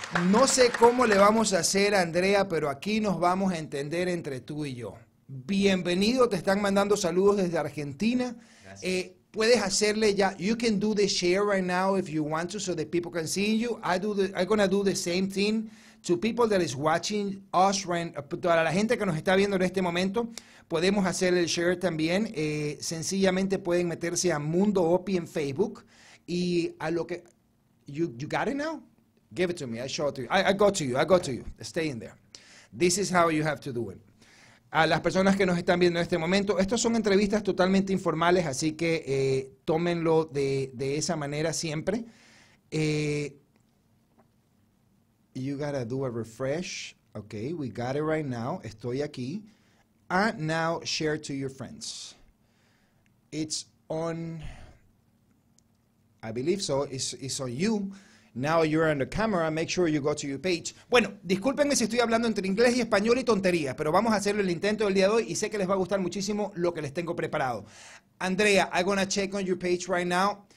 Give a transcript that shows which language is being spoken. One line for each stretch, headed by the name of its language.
Spanish: No sé cómo le vamos a hacer, Andrea, pero aquí nos vamos a entender entre tú y yo. Bienvenido, te están mandando saludos desde Argentina. Gracias. Puedes hacerle ya,
English: you can do the share right now if you want to, so that people can see you. I'm going to do the same thing to people that is watching us,
Spanish: para la gente que nos está viendo en este momento, podemos hacer el share también. Sencillamente pueden meterse a Mundo OPI en Facebook y a lo que,
English: you got it now? Give it to me, I show it to you. I go to you. Stay in there. This is how you have to do it.
Spanish: A las personas que nos están viendo en este momento, estas son entrevistas totalmente informales, así que tómenlo de esa manera siempre.
English: You gotta do a refresh. Okay, we got it right now.
Spanish: Estoy aquí.
English: And now share to your friends. It's on, I believe so, it's on you. Now you're on the camera, make sure you go to your page.
Spanish: Bueno, discúlpenme si estoy hablando entre inglés y español y tonterías, pero vamos a hacer el intento del día de hoy y sé que les va a gustar muchísimo lo que les tengo preparado.
English: Andrea, I'm going to check on your page right now.